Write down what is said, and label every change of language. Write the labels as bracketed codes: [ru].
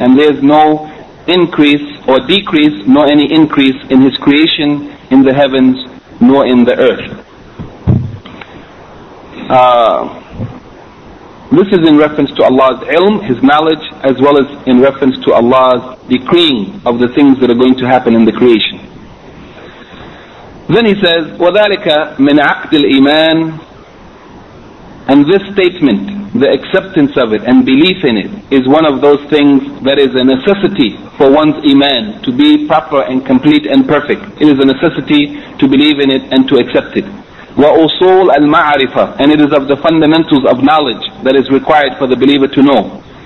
[en] And there is no increase or decrease, nor any increase in His creation in the heavens nor in the earth. This is in reference to Allah's ilm, His knowledge, as well as in reference to Allah's decreeing of the things that are going to happen in the creation. Then he says, [ar] وَذَلِكَ مِنْ عَقْدِ الْإِيمَانِ. [en] And this statement, the acceptance of it and belief in it, is one of those things that is a necessity for one's iman to be proper and complete and perfect. It is a necessity to believe in it and to accept it. [ar] وَأُصُول الْمَعْرِفَةِ. [en] And it is of the fundamentals of knowledge that is required for the believer to know.